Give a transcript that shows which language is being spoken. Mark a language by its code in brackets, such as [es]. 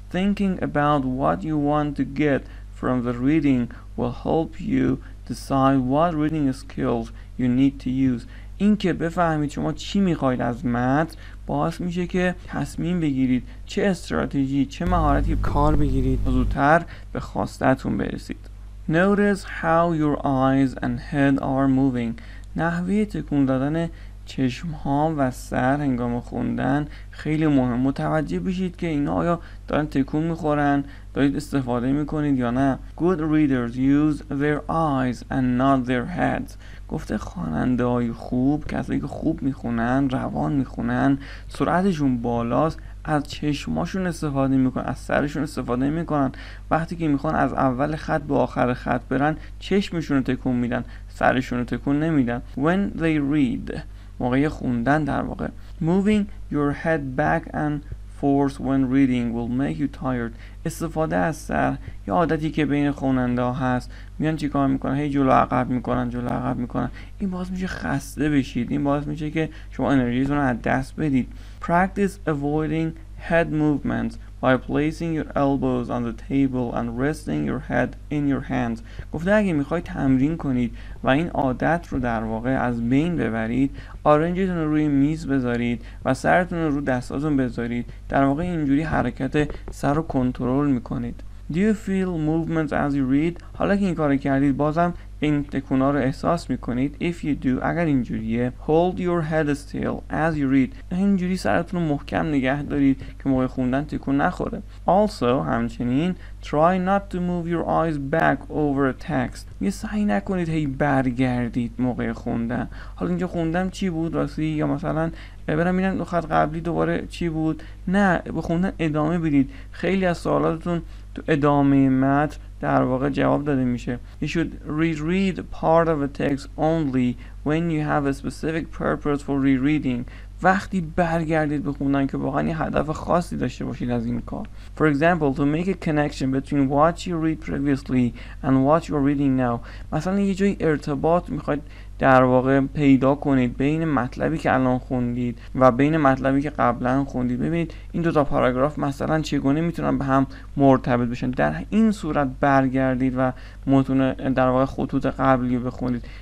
[en] Thinking about what you want to get from the reading will help you decide what reading skills you need to use، [fa] این که بفهمید شما چی میخواید از متن باعث میشه که تصمیم بگیرید چه استراتژی، چه مهارتی کار بگیرید و زودتر به خواستتون برسید. [en] Notice how your eyes and head are moving، [fa] نحوه تکون دادن چشم ها و سر هنگام خوندن خیلی مهم. متوجه بشید که اینا آیا دارن تکون میخورن، دارید استفاده میکنید یا نه. [en] Good readers use their eyes and not their heads. [fa] گفته خواننده های خوب، کسایی که خوب میخونن، روان میخونن، سرعتشون بالاست، از چشماشون استفاده میکنن، از سرشون استفاده میکنن. وقتی که میخوان از اول خط به آخر خط برن، چشمشون رو تکون میدن، سرشون رو تکون نمیدن. [en] When they read، [fa] موقع خوندن در واقع. [en] Moving your head back and forth when reading will make you tired. [fa] استفاده از سر یا عادتی که بین خواننده ها هست، میان چی کار میکنن، هی جلو عقب میکنن، جلو عقب میکنن، این باعث میشه خسته بشید، این باعث میشه که شما انرژیتون رو از دست بدید. [en] Practice avoiding head movements by placing your elbows on the table and resting your head in your hands. [fa] گفته اگه میخوای تمرین کنید و این عادت رو در واقع از بین ببرید، آرنجتون رو روی میز بذارید و سرتون رو دستاتون بذارید، در واقع اینجوری حرکت سر رو کنترل میکنید. [en] Do you feel movements as you read? [fa] حالا که این کار کردید بازم این تکونا رو احساس میکنید؟ [en] If you do، [fa] اگر اینجوریه، [en] hold your head still as you read، [fa] اینجوری سرتون رو محکم نگه دارید که موقع خوندن تکون نخوره. [en] Also، [fa] همچنین، [en] try not to move your eyes back over a text. [fa] یه سعی نکنید هی برگردید موقع خوندن. حالا اینجا خوندم چی بود راستی؟ یا مثلا برم اینم خط قبلی دوباره چی بود؟ نه، به خوندن ادامه بدید. خیلی از سوالاتتون تو ادامه متن در واقع جواب داده میشه. [en] You should reread part of a text only when you have a specific purpose for rereading. [fa] وقتی برگردید بخونن که واقعا یه هدف خاصی داشته باشید از این کار. [en] For example, to make a connection between what you read previously and what you're reading now. [fa] مثلا یه جایی ارتباط میخواید در واقع پیدا کنید بین مطلبی که الان خوندید و بین مطلبی که قبلا خوندید. ببینید این دو تا پاراگراف مثلا چگونه میتونن به هم مرتبط بشن. در این صورت برگردید و متن در واقع خطوط قبلی رو بخونید.